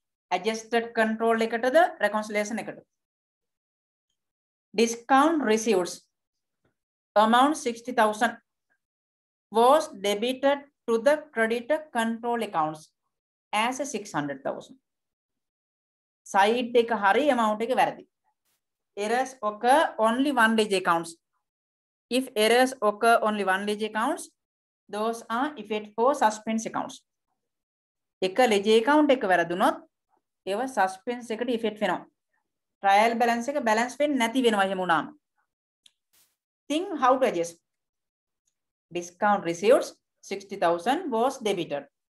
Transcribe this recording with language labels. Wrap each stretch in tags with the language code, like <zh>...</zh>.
<si>Adjusted control ekatada reconciliation ekata.</si> <en>Discount receipts. Amount 60,000. Was debited to the creditor control accounts as a 600,000.</en> <si>Side එක හරි amount එක වැරදි.</si> <en>Errors occur only one ledger accounts. If errors occur only one ledger accounts, those are effect for suspense accounts.</en> <si>එක ledger account එක වැරදුනොත් ඒව suspense එකට effect වෙනවා. Trial balance එක balance වෙන්නේ නැති වෙනවා එහෙම වුණාම.</si> <en>Think how to adjust. Discount receipts 60,000 was debited.</en>